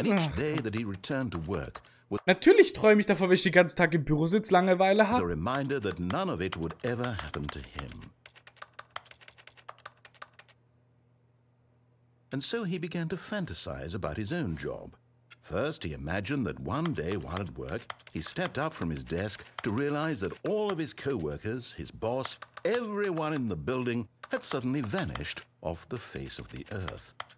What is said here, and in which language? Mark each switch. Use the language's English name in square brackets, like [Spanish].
[English] And each day that he returned to work... [German] Natürlich träume ich davon, wenn ich den ganzen Tag im Büro sitze, Langeweile habe. [English] A reminder that none of it would ever happen to him. And so he began to fantasize about his own job. First, he imagined that one day while at work, he stepped up from his desk to realize that all of his co-workers, his boss, everyone in the building had suddenly vanished off the face of the earth.